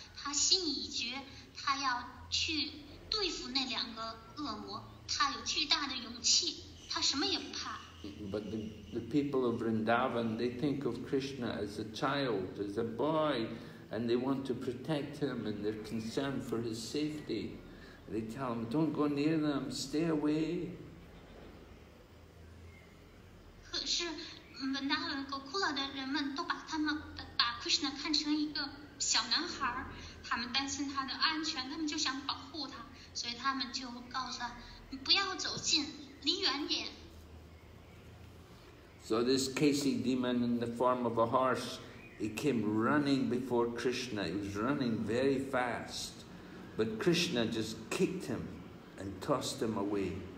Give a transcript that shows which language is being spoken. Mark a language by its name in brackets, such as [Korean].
[Chinese] 他心已决，他要去对付那两个恶魔。他有巨大的勇气，他什么也不怕。 [English] But the people of Vrindavan, they think of Krishna as a child, as a boy, and they want to protect him and they're concerned for his safety. They tell him, don't go near them, stay away. [Chinese] 可是 Vrindavan Gokula 的人们都把 Krishna 看成一个小男孩，他们担心他的安全，他们就想保护他。所以他们就告诉他，你不要走近，离远点。 [English] So this Kesi demon in the form of a horse, he came running before Krishna. He was running very fast, but Krishna just kicked him and tossed him away.